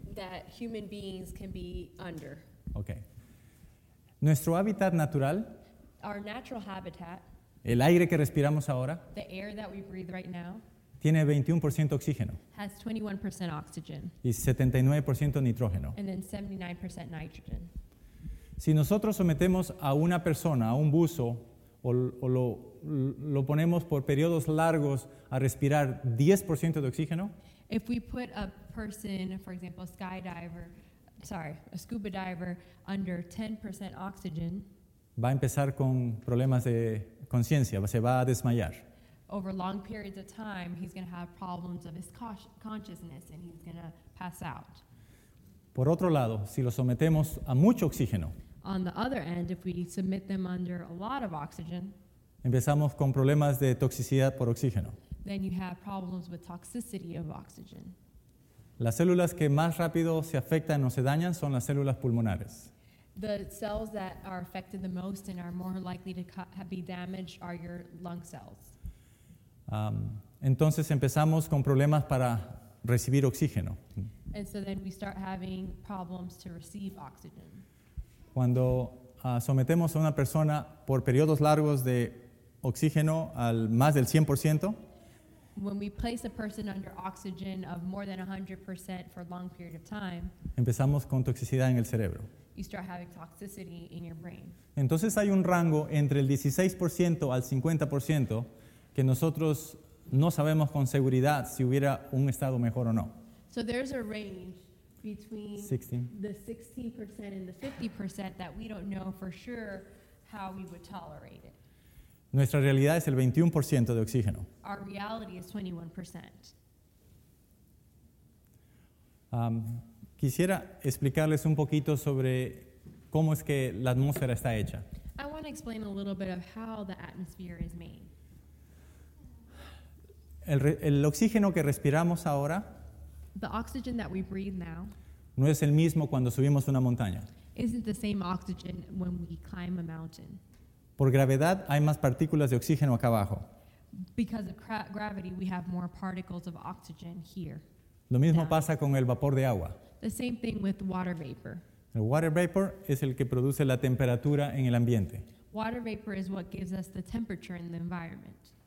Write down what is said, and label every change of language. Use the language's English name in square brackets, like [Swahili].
[English] That human beings can be under. Okay. [Spanish] Nuestro hábitat natural. [English] Our natural habitat. [Spanish] El aire que respiramos ahora. [English] The air that we breathe right now. [Spanish] Tiene 21% oxígeno. [English] Has 21% oxygen. [Spanish] Y 79% nitrógeno. [English] And then 79% nitrogen. [Spanish] Si nosotros sometemos a una persona, a un buzo, o lo ponemos por periodos largos a respirar 10% de oxígeno. [English] If we put a person, for example, a scuba diver, under 10% oxygen. [Spanish] Va a empezar con problemas de conciencia, se va a desmayar. [English] Over long periods of time, he's going to have problems of his consciousness and he's going to pass out. [Spanish] Por otro lado, si lo sometemos a mucho oxígeno. [English] On the other end, if we submit them under a lot of oxygen. [Spanish] Empezamos con problemas de toxicidad por oxígeno. [English] Then you have problems with toxicity of oxygen. [Spanish] Las células que más rápido se afectan o se dañan son las células pulmonares. [English] The cells that are affected the most and are more likely to be damaged are your lung cells. [Spanish] Entonces empezamos con problemas para recibir oxígeno. [English] And so then we start having problems to receive oxygen. [Spanish] Cuando sometemos a una persona por periodos largos de oxígeno al más del 100%, [English] when we place a person under oxygen of more than 100% for a long period of time, [Spanish] empezamos con toxicidad en el cerebro. [English] You start having toxicity in your brain. [Spanish] Entonces hay un rango entre el 16% al 50% que nosotros no sabemos con seguridad si hubiera un estado mejor o no. [English] So there's a range between 16. The 16% and the 50% that we don't know for sure how we would tolerate it. [Spanish] Nuestra realidad es el 21% de oxígeno. [English] Our reality is 21%. [Spanish] Quisiera explicarles un poquito sobre cómo es que la atmósfera está hecha. [English] I want to explain a little bit of how the atmosphere is made. [Spanish] El oxígeno que respiramos ahora, [English] the oxygen that we breathe now, [Spanish] no es el mismo cuando subimos una montaña. [English] Isn't the same oxygen when we climb a mountain. [Spanish] Por gravedad hay más partículas de oxígeno acá abajo. [English] Because of gravity, we have more particles of oxygen here. [Spanish] Lo mismo pasa con el vapor de agua. [English] The same thing with water vapor. [Spanish] El [English] water vapor [Spanish] es el que produce la temperatura en el ambiente. [English] Water vapor is what gives us the temperature in the environment.